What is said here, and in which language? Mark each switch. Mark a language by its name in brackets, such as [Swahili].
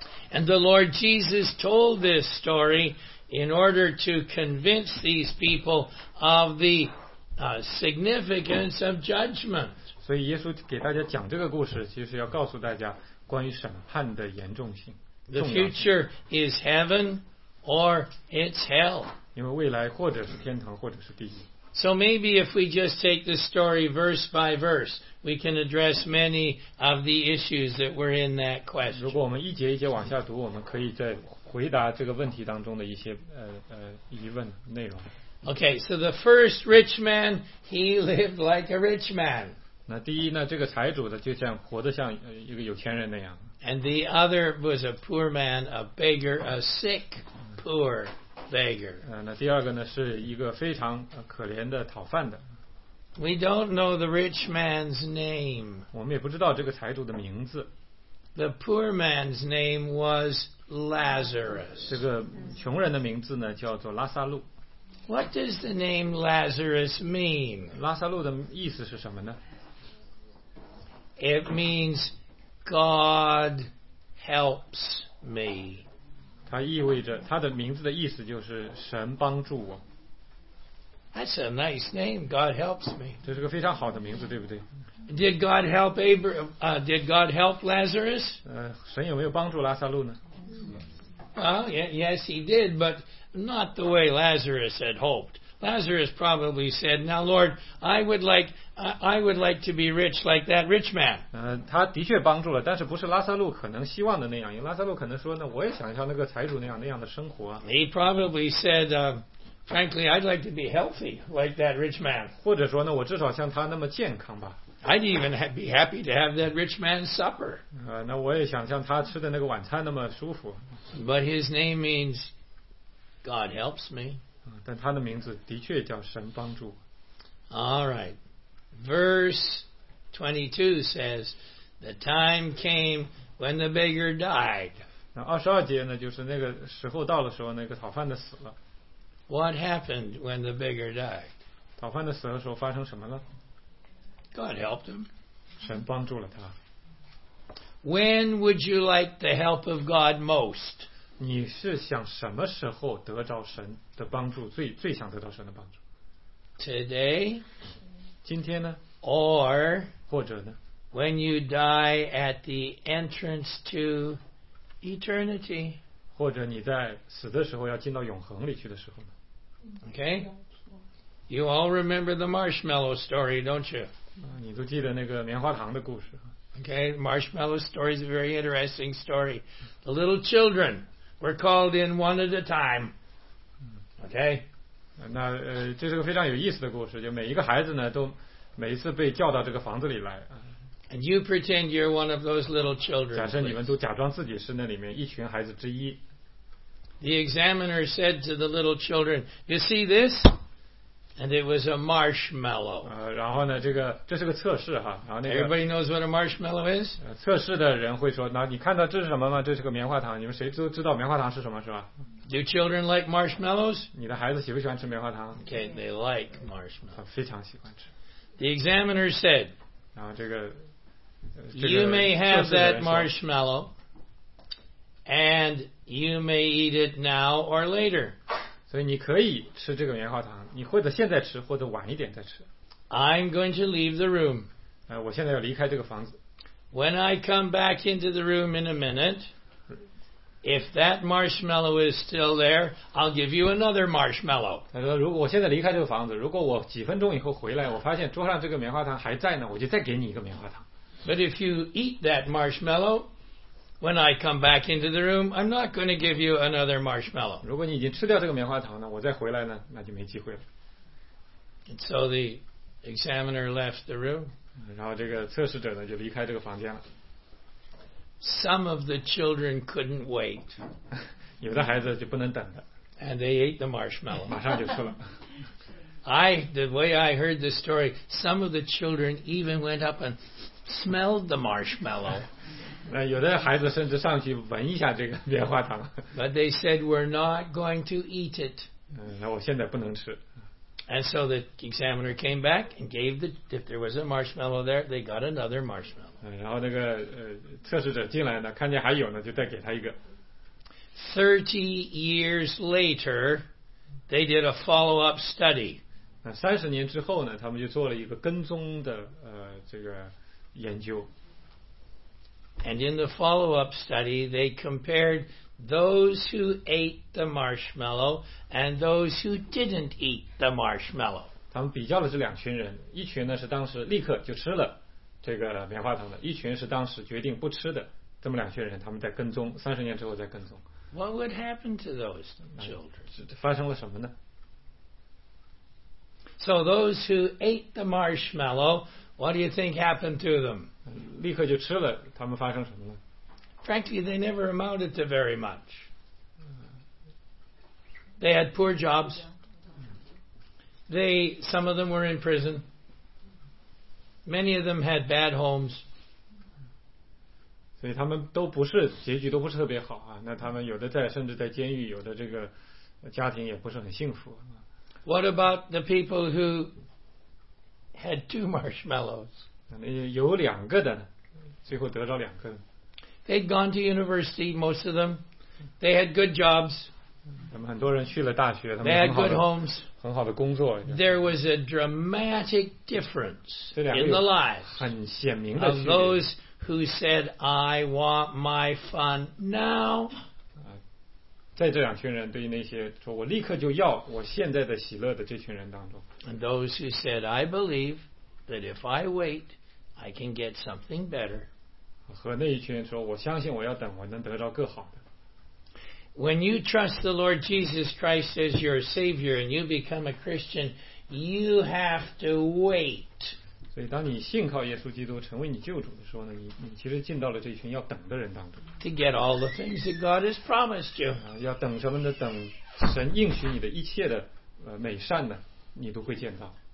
[English] And the Lord Jesus told this story in order to convince these people of the significance of judgment. [Chinese] 所以耶稣给大家讲这个故事，其实要告诉大家关于审判的严重性。 [English] The future is heaven or it's hell. [Chinese] 因为未来或者是天堂，或者是地狱。 [English] So maybe if we just take this story verse by verse, we can address many of the issues that were in that question. [Chinese] 如果我们一节一节往下读，我们可以再回答这个问题当中的一些疑问内容。 [English] Okay, so the first rich man, he lived like a rich man. [Chinese] 那第一呢，这个财主的就像活得像一个有钱人那样。 [English] And the other was a poor man, a beggar, a sick, poor beggar. [Chinese] 那第二个呢，是一个非常可怜的讨饭的。 [English] We don't know the rich man's name. [Chinese] 我们也不知道这个财主的名字。 [English] The poor man's name was Lazarus. [Chinese] 这个穷人的名字呢，叫做拉撒路。 [English] What does the name Lazarus mean? [Chinese] 拉撒路的意思是什么呢？ [English] It means God helps me. [Chinese] 它意味着它的名字的意思就是神帮助我。 [English] That's a nice name. God helps me. [Chinese] 这是个非常好的名字，对不对 [English] ？Did God help did God help Lazarus? [Chinese] 神有没有帮助拉撒路呢 [English] ？Well, yes, he did, but not the way Lazarus had hoped. Lazarus probably said, "Now, Lord, I would like to be rich like that rich man." [Chinese] 他的确帮助了，但是不是拉撒路可能希望的那样，因为拉撒路可能说呢，我也想像那个财主那样的生活。 [English] He probably said, "Frankly, I'd like to be healthy like that rich man." [Chinese] 或者说呢，我至少像他那么健康吧。 [English] I'd even be happy to have that rich man's supper. [Chinese] 那我也想像他吃的那个晚餐那么舒服。 [English] But his name means God helps me. [Chinese] 但他的名字的确叫神帮助。 [English] All right. Verse 22 says, "The time came when the beggar died." [Chinese] 那二十二节呢，就是那个时候到的时候，那个讨饭的死了。 [English] What happened when the beggar died? [Chinese] 讨饭的死的时候发生什么了？ [English] God helped him. [Chinese] 神帮助了他。 [English] When would you like the help of God most? [Chinese] 你是想什么时候得到神的帮助，最想得到神的帮助？ [English] Today? [Chinese] 今天呢？ [English] Or? [Chinese] 或者呢？ [English] When you die at the entrance to eternity? [Chinese] 或者你在死的时候要进到永恒里去的时候呢？ [English] Okay? You all remember the marshmallow story, don't you? [Chinese] 你都记得那个棉花糖的故事。 [English] Okay, marshmallow story is a very interesting story. The little children were called in one at a time. Okay? [Chinese] 那这是个非常有意思的故事，就每一个孩子呢，都每一次被叫到这个房子里来。 [English] And you pretend you're one of those little children. [Chinese] 假设你们都假装自己是那里面一群孩子之一。 [English] The examiner said to the little children, "You see this?" And it was a marshmallow. [Chinese] 然后呢，这是个测试哈。然后那个。 [English] Everybody knows what a marshmallow is. [Chinese] 测试的人会说，那你看到这是什么吗？这是个棉花糖。你们谁都知道棉花糖是什么，是吧 [English] ？Do children like marshmallows? [Chinese] 你的孩子喜不喜欢吃棉花糖 [English] ？Okay, they like marshmallows. [Chinese] 非常喜欢吃。 [English] The examiner said. [Chinese] 然后这个。 [English] You may have that marshmallow, and you may eat it now or later. [Chinese] 所以你可以吃这个棉花糖。你或者现在吃，或者晚一点再吃。 [English] I'm going to leave the room. [Chinese] 我现在要离开这个房子。 [English] When I come back into the room in a minute, if that marshmallow is still there, I'll give you another marshmallow. [Chinese] 他说，如果我现在离开这个房子，如果我几分钟以后回来，我发现桌上这个棉花糖还在呢，我就再给你一个棉花糖。 [English] But if you eat that marshmallow, when I come back into the room, I'm not going to give you another marshmallow. [Chinese] 如果你已经吃掉这个棉花糖呢，我再回来呢，那就没机会了。 [English] And so the examiner left the room. [Chinese] 然后这个测试者呢，就离开这个房间了。 [English] Some of the children couldn't wait. [Chinese] 有的孩子就不能等的。 [English] And they ate the marshmallow. [Chinese] 马上就吃了。 [English] The way I heard the story, some of the children even went up and smelled the marshmallow. [Chinese] 那有的孩子甚至上去闻一下这个棉花糖。 [English] But they said, "We're not going to eat it." [Chinese] 那我现在不能吃。 [English] And so the examiner came back and gave the, if there was a marshmallow there, they got another marshmallow. [Chinese] 然后那个测试者进来呢，看见还有呢，就再给他一个。 [English] 30 years later, they did a follow-up study. [Chinese] 那三十年之后呢，他们就做了一个跟踪的这个研究。 [English] And in the follow-up study, they compared those who ate the marshmallow and those who didn't eat the marshmallow. [Chinese] 他们比较了这两群人，一群呢是当时立刻就吃了这个棉花糖的，一群是当时决定不吃的。这么两群人，他们在跟踪，三十年之后在跟踪。 [English] What would happen to those children? [Chinese] 发生了什么呢？ [English] So those who ate the marshmallow, what do you think happened to them? [Chinese] 立刻就吃了，他们发生什么了？ [English] Frankly, they never amounted to very much. They had poor jobs. Some of them were in prison. Many of them had bad homes. [Chinese] 所以他们都不是，结局都不是特别好啊。那他们有的在甚至在监狱，有的这个家庭也不是很幸福。 [English] What about the people who had two marshmallows? [Chinese] 有两个的，最后得着两个。 [English] They'd gone to university, most of them. They had good jobs. [Chinese] 他们很多人去了大学，他们 [English] They had good homes. [Chinese] 很好的工作。 [English] There was a dramatic difference in the lives [Chinese] 很鲜明的 [English] of those who said, "I want my fun now." [Chinese] 在这两群人，对于那些说我立刻就要我现在的喜乐的这群人当中。 [English] And those who said, I believe that if I wait, I can get something better. [Chinese] 和那一群人说，我相信我要等，我能得到更好的。 [English] When you trust the Lord Jesus Christ as your Savior and you become a Christian, you have to wait. [Chinese] 所以当你信靠耶稣基督成为你救主的时候呢， 你其实进到了这群要等的人当中。 [English] To get all the things that God has promised you. [Chinese] 要等什么呢？等神应许你的一切的美善呢，你都会见到。